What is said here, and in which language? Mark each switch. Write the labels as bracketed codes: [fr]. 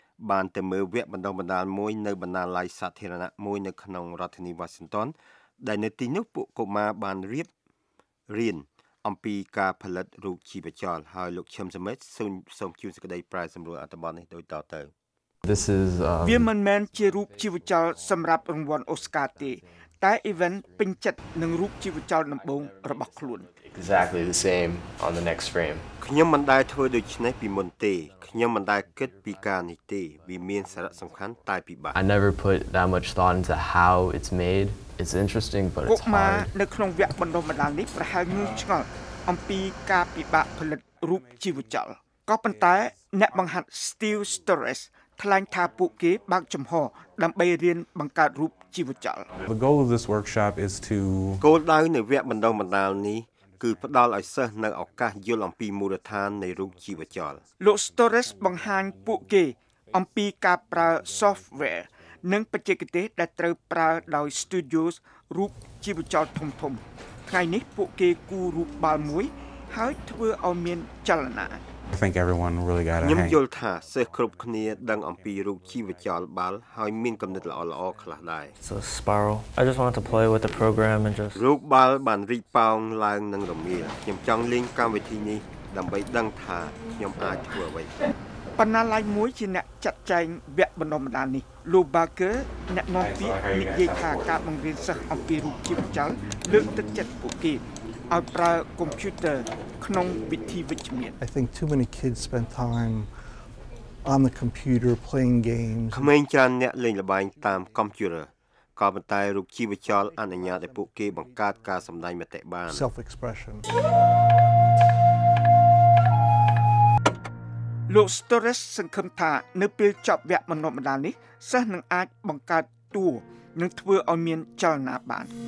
[km] បានទៅមើលវគ្គបណ្ដុះបណ្ដាលមួយនៅបណ្ណាល័យសាធារណៈមួយនៅក្នុងរដ្ឋធានីវ៉ាស៊ីនតោនដែលនៅទីនោះពួកកុមារបានរៀនអំពីការផលិតរូបជីវចលហើយលោកឈឹមសមិទ្ធសូមជួយសេចក្តីប្រែសម្រួលអត្ថបទនេះដូចតទៅ [en] This is [km] វាមិនមែនជារូបជីវចលសម្រាប់រង្វាន់អូស្ការទេតែ event ពេញចិត្តនឹងរូបជីវចលដំបូងរបស់ខ្លួន [en] Exactly the same on the next frame [km] ខ្ញុំមិនដែលធ្វើដូចនេះពីមុនទេខ្ញុំមិនដែលគិតពីការនេះទេវាមានសារៈសំខាន់តែពិបាក [en] I never put that much thought into how it's made it's interesting but it's hard [km] នៅក្នុងវគ្គបណ្ដុះបណ្ដាលនេះប្រហែលងឿងឆ្ងល់អំពីការពិបាកផលិតរូបជីវចលក៏ប៉ុន្តែអ្នកបង្ហាត់ Steel Stories ថ្លែងថាពួកគេបើកចំហដើម្បីរៀនបង្កើតរូបជីវចល [en] The goal of this workshop is to [km] គោលដៅនៃវគ្គបណ្ដុះបណ្ដាលនេះគឺផ្ដល់ឲ្យសិស្សនៅឱកាសយល់អំពីមូលដ្ឋាននៃរូបជីវចល លោក Stores បង្ហាញពួកគេអំពីការប្រើ software និងបច្ចេកទេសដែលត្រូវប្រើដោយ studios រូបជីវចលធំធំថ្ងៃនេះពួកគេគូររូបបាល់មួយហើយធ្វើឲ្យមានចលនា [en] I think everyone really got a hang. [km] ខ្ញុំយល់ថាសិស្សគ្រប់គ្នាដឹងអំពីរូបជីវចលបាល់ហើយមានគំនិតល្អល្អខ្លះដែរ [en] So spiral. I just want to play with the program and just [km] រូបបាល់បានរីកប៉ោងឡើងនឹងរមៀលខ្ញុំចង់លេងកម្មវិធីនេះដើម្បីដឹងថាខ្ញុំអាចធ្វើអ្វី បណ្ណាល័យមួយជាអ្នកចាត់ចែងវគ្គបណ្ដុះបណ្ដាលនេះលោក Barker អ្នកនាំពាក្យនិយាយថាការបង្រៀនសិស្សអំពីរូបជីវចលលើកទឹកចិត្តពួកគេឲ្យប្រើកុំព្យូទ័រក្នុងវិធីវិជ្ជមាន [en] I think too many kids spend time on the computer playing games [km] ក្មេងច្រើនអ្នកលេងល្បែងតាមកុំព្យូទ័រក៏ប៉ុន្តែរូបជីវចលអនុញ្ញាតឲ្យពួកគេបង្កើតការសម្ដែងមតិបាន [en] self expression [km] លោក Stores សង្ឃឹមថានៅពេលចប់វគ្គបណ្ដុះបណ្ដាលនេះសិស្សនឹងអាចបង្កើតតួនិងធ្វើឲ្យមានចលនាបាន